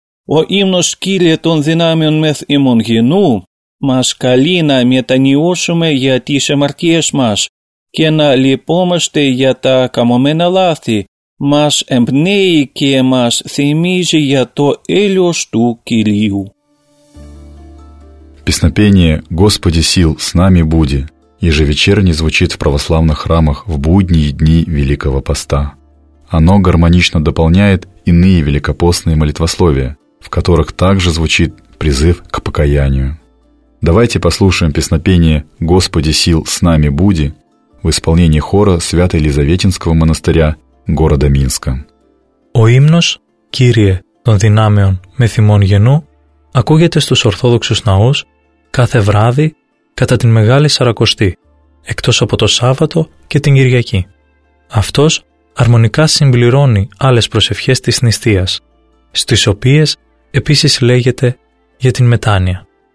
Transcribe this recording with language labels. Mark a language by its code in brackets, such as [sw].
[el] Ο ύμνος «Κύριε των δυνάμεων μεθ ημών γενού» μας καλεί να μετανοιώσουμε για τις αμαρτίες μας και να λυπόμαστε για τα καμωμένα λάθη, μας εμπνέει και μας θυμίζει για το έλεος του Κυρίου. [ru] Песнопение «Господи сил с нами буди» ежевечерне звучит в православных храмах в будние дни Великого Поста. Оно гармонично дополняет иные великопостные молитвословия, в которых также звучит призыв к покаянию. Давайте послушаем песнопение «Господи сил с нами буди» в исполнении хора Свято-Елизаветинского монастыря города Минска. [el] Ο ύμνος «Κύριε των δυνάμεων με θυμών γενού» ακούγεται στους Ορθόδοξους ναούς κάθε βράδυ κατά την Μεγάλη Σαρακοστή, εκτός από το Σάββατο και την Κυριακή. Αυτός αρμονικά συμπληρώνει άλλες προσευχές της νηστείας, στις οποίες επίσης λέγεται για την μετάνοια.